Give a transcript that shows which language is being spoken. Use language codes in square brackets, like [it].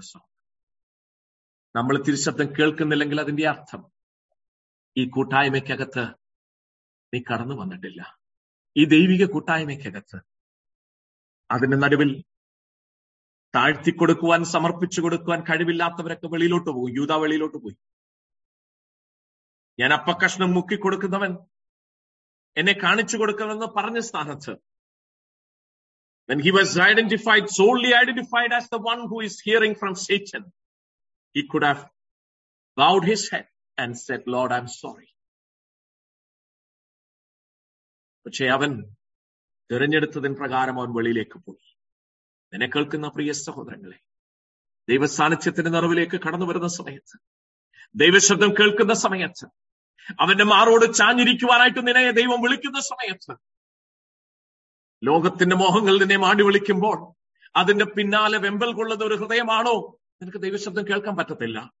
[ml] So നമ്മൾ തിരുശബ്ദം കേൾക്കുന്നില്ലെങ്കിൽ അതിന്റെ അർത്ഥം ഈ കൂട്ടായ്മയ്ക്കകത്ത് നീ കടന്നു വന്നിട്ടില്ല. ഈ ദൈവിക കൂട്ടായ്മയ്ക്കകത്ത് അതിന്റെ നടുവിൽ താഴ്ത്തി കൊടുക്കുവാൻ സമർപ്പിച്ചു കൊടുക്കുവാൻ കഴിവില്ലാത്തവരൊക്കെ വെളിയിലോട്ട് പോകും. യൂദാ വെളിയിലോട്ട് പോയി. ഞാൻ അപ്പക്കഷ്ണം മുക്കിക്കൊടുക്കുന്നവൻ, എന്നെ കാണിച്ചു കൊടുക്കുന്നവെന്ന് പറഞ്ഞ സ്ഥാനത്ത് [en] when he was identified, solely identified as the one who is hearing from Satan, he could have bowed his head and said, Lord, I'm sorry. [ml] പക്ഷേ അവൻ തിരഞ്ഞെടുത്തതിൻ പ്രകാരം അവൻ വെളിയിലേക്ക് പോയി. എന്നെ കേൾക്കുന്ന പ്രിയ സഹോദരങ്ങളെ, ദൈവസാന്നിധ്യത്തിന്റെ നിറവിലേക്ക് കടന്നു വരുന്ന സമയത്ത്, ദൈവശബ്ദം കേൾക്കുന്ന സമയത്ത്, അവന്റെ മാറോട് ചാഞ്ഞിരിക്കുവാനായിട്ട് നിന്നെ ദൈവം വിളിക്കുന്ന സമയത്ത്, ലോകത്തിന്റെ മോഹങ്ങൾ നിന്നെ മാണി വിളിക്കുമ്പോൾ അതിന്റെ പിന്നാലെ വെമ്പൽ കൊള്ളുന്ന ഒരു ഹൃദയമാണോ നിനക്ക് ദൈവശബ്ദം കേൾക്കാൻ പറ്റത്തില്ല.